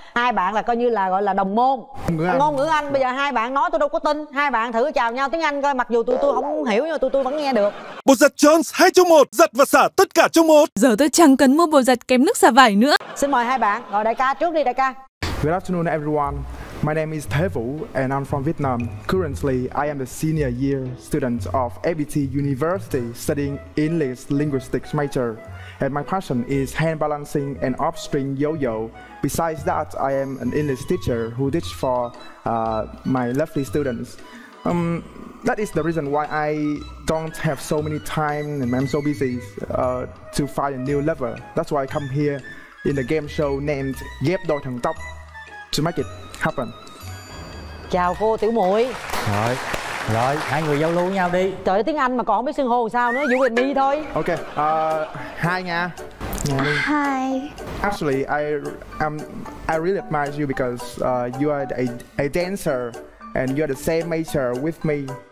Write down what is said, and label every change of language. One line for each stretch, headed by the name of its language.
Vietnamese: Hai bạn là coi như là gọi là đồng môn ngôn ngữ Anh. Bây giờ hai bạn nói tôi đâu có tin. Hai bạn thử chào nhau tiếng Anh coi, mặc dù tôi không hiểu nhưng mà tôi vẫn nghe được. Bột giặt Jones 2-in-1, giặt và xả tất cả trong một. Giờ tôi chẳng cần mua bột giặt kém nước xả vải nữa. Xin mời hai bạn, rồi đại ca trước đi đại ca.
English: Good afternoon everyone. My name is Thế Vũ and I'm from Vietnam. Currently, I am the senior year student of FPT University studying English Linguistics major. And my passion is hand balancing and upstring yo-yo. Besides that, I am an English teacher who teach for my lovely students. That is the reason why I don't have so many time and I'm so busy to find a new lover. That's why I come here in a game show named Ghép Đôi Thần Tốc to make it happen.
Vietnamese: Chào cô Tiểu Muội. Rồi. Rồi, hai người giao lưu với nhau đi. Trời ơi, tiếng Anh mà còn không biết xưng hô sao nữa, Vũ Quỳnh đi thôi.
English: Ok, hi nha. Hi. Actually, I really admire you because you are a dancer and you are the same major with me.